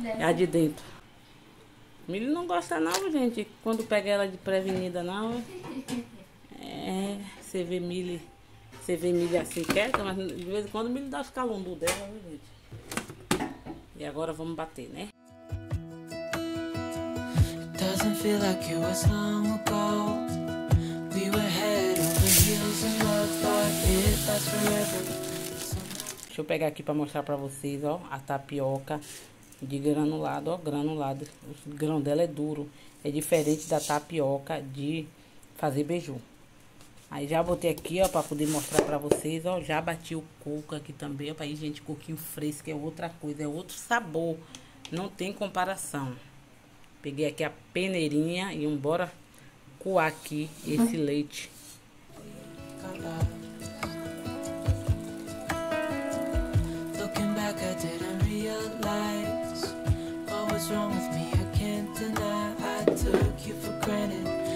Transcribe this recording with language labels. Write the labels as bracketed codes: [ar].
[pt] É a dessa? de dentro. Mili não gosta não, gente, quando pega ela de prevenida não. É, você vê Mili. Você vê milho assim quieto, mas de vez em quando o milho dá os calombos dela, viu, gente? E agora vamos bater, né? [en] Doesn't feel like it was long ago. We were head over heels in love, but it lasts forever. [pt] Deixa eu pegar aqui pra mostrar pra vocês, ó, a tapioca de granulado, ó, granulado. O grão dela é duro. É diferente da tapioca de fazer beiju. Aí já botei aqui, ó, pra poder mostrar pra vocês, ó. Já bati o coco aqui também, ó. Aí, gente, coquinho fresco é outra coisa, é outro sabor. Não tem comparação. Peguei aqui a peneirinha e embora coar aqui esse leite. [en] Looking back, I didn't realize what was wrong with me. I can't deny I took you for granted.